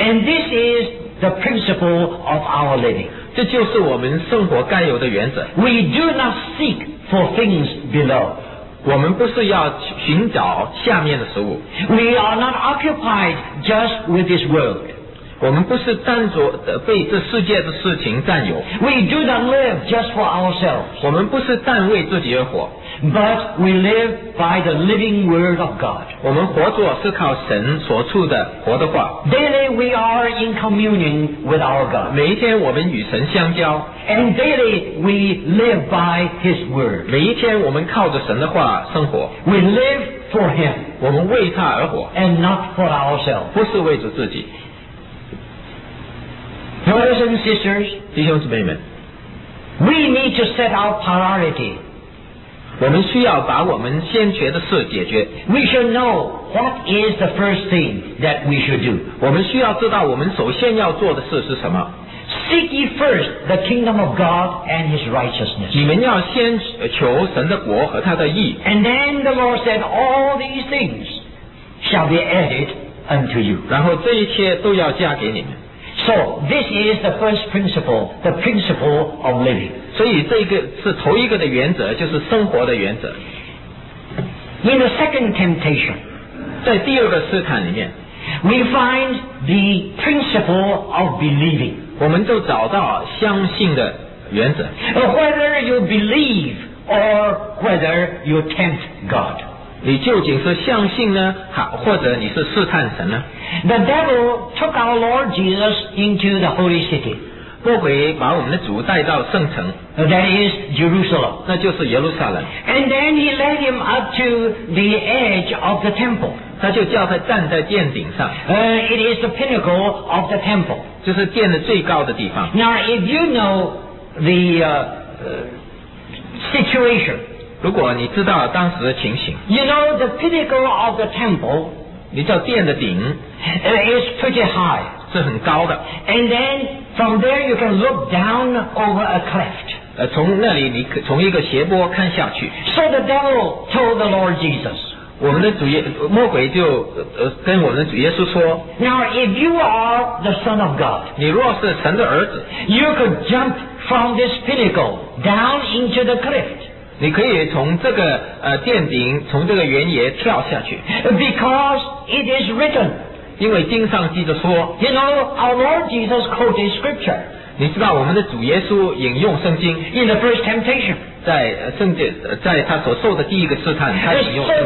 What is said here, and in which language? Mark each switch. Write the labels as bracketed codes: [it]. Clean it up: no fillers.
[en] And this is the principle of our living. [zh] 这就是我们生活该有的原则。 [en] We do not seek for things below. [zh] 我们不是要寻找下面的食物。 [en] We are not occupied just with this world. [zh] 我们不是占着被这世界的事情占有。 [en] We do not live just for ourselves. [zh] 我们不是单为自己而活。 [en] But we live by the living word of God. [zh] 我们活着是靠神所出的活的话。 [en] Daily we are in communion with our God. [zh] 每一天我们与神相交。 [en] And daily we live by His word. [zh] 每一天我们靠着神的话生活。 [en] We live for Him. [zh] 我们为他而活。 [en] And not for ourselves. [zh] 不是为着自己。 [en] Brothers and sisters, [zh] 弟兄姊妹们， [en] we need to set our priority. [zh] 我们需要把我们先决的事解决。 [en] We should know what is the first thing that we should do. [zh] 我们需要知道我们首先要做的事是什么。 [en] Seek ye first the kingdom of God and His righteousness. [zh] 你们要先求神的国和他的义。 [en] And then the Lord said, all these things shall be added unto you. [zh] 然后这一切都要加给你们。 [en] So this is the first principle, the principle of living. [zh] 所以这个是头一个的原则，就是生活的原则。 [en] In the second temptation, [zh] 在第二个试探里面， [en] we find the principle of believing. [zh] 我们就找到相信的原则。 [en] Whether you believe or whether you tempt God. [zh] 你究竟是相信呢，或者你是试探神呢？ [en] The devil took our Lord Jesus into the holy city. [zh] 魔鬼把我们的主带到圣城， [en] That is Jerusalem. [zh] 那就是耶路撒冷。 [en] And then he led him up to the edge of the temple. [zh] 他就叫他站在殿顶上。 [en] It is the pinnacle of the temple. [zh] 就是殿的最高的地方。 [en] Now if you know the situation, [zh] 如果你知道当时的情形， [en] You know the pinnacle of the temple, [zh] 你知道殿的顶， [en] is pretty high. [zh] 是很高的。 [en] And then from there you can look down over a cleft. [zh] 从那里你从一个斜坡看下去。 [en] So the devil told the Lord Jesus. [zh] 我们的主耶魔鬼就跟我们的主耶稣说， [en] Now if you are the son of God, [zh] 你若是神的儿子， [en] you could jump from this pinnacle down into the cleft. [zh] 你可以从这个殿顶从这个原野跳下去。 [en] Because it is written. [zh] 因为经上记着说， [en] You know, our Lord Jesus quoted scripture. [zh] 你知道我们的主耶稣引用圣经。 [en] In the first temptation. [zh] 在他所受的第一个试探，他引用圣经。